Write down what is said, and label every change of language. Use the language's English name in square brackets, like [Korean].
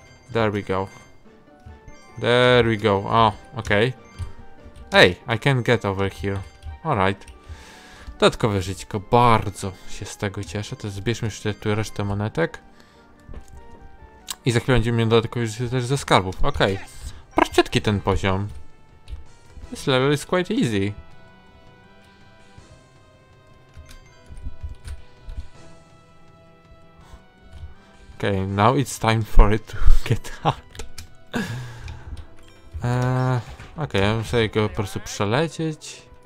[English] There we go. There we go. Oh, okay. Hey, I can get over here. Alright. [Polish] Dodatkowe żyćko. Bardzo się z tego cieszę. To zbierzmy jeszcze tu resztę monetek. I za chwilę będziemy mieli dodatkowe życie też ze skarbów. Okay. Prościutki ten poziom. [English] This level is quite easy. Okay, now it's time for it to get hard. [Polish] Okay, ja muszę go po prostu przelecieć.